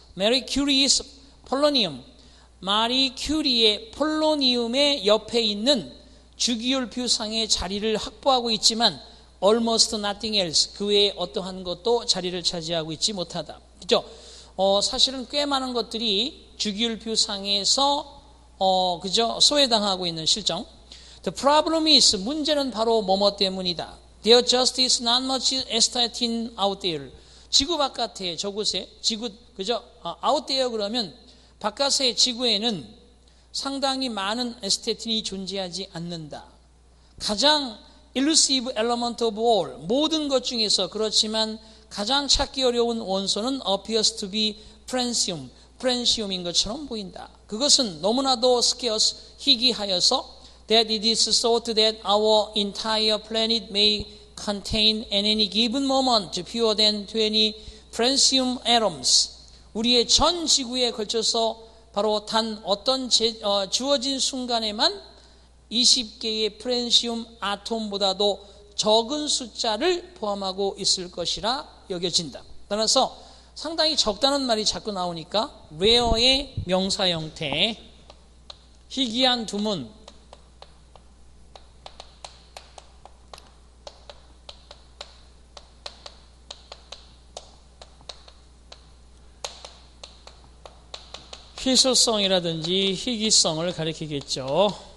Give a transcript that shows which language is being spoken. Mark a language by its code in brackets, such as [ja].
[ko] Marie Curie's polonium. 마리 큐리의 폴로니움의 옆에 있는 주기율표상의 자리를 확보하고 있지만 [en] almost nothing else. [ko] 그 외에 어떠한 것도 자리를 차지하고 있지 못하다. 그죠? 사실은 꽤 많은 것들이 주기율표상에서 그죠? 소외당하고 있는 실정. [en] The problem is [ko] 문제는 바로 뭐뭐 때문이다. [en] There just is not much astatin out there. [ko] 지구 바깥에 저곳에 지구 그죠? [en] out there [ko] 그러면 바깥의 지구에는 상당히 많은 에스테틴이 존재하지 않는다. 가장 [en] elusive element of all, [ko] 모든 것 중에서 그렇지만 가장 찾기 어려운 원소는 [en] appears to be francium, [ko] francium인 것처럼 보인다. 그것은 너무나도 [en] scarce, [ko] 희귀하여서 [en] that it is thought that our entire planet may contain at any given moment fewer than 20 francium atoms. [ko] 우리의 전 지구에 걸쳐서 바로 단 어떤 주어진 순간에만 20개의 프랜시움 아톰보다도 적은 숫자를 포함하고 있을 것이라 여겨진다. 따라서 상당히 적다는 말이 자꾸 나오니까 rare의 명사 형태, 희귀한 두문, 희소성이라든지 희귀성을 가리키겠죠.